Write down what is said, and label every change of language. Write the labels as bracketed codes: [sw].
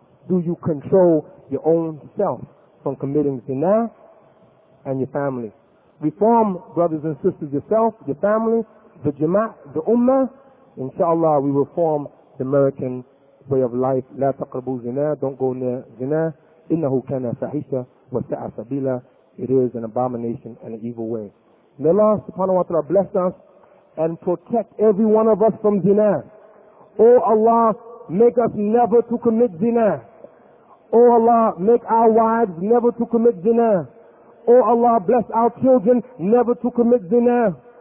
[en] Do you control your own self from committing zina and your family? Reform, brothers and sisters, yourself, your family, the jama'ah, the ummah. Inshallah, we reform the American way of life. [ar] لا تقربوا زنا. [en] Don't go near زنا. [ar] إنه كان فاحشة وساء سبيلا. [en] It is an abomination and an evil way. May Allah subhanahu wa ta'ala bless us and protect every one of us from zina. O Allah, make us never to commit zina. O Allah, make our wives never to commit zina. O Allah, bless our children never to commit zina.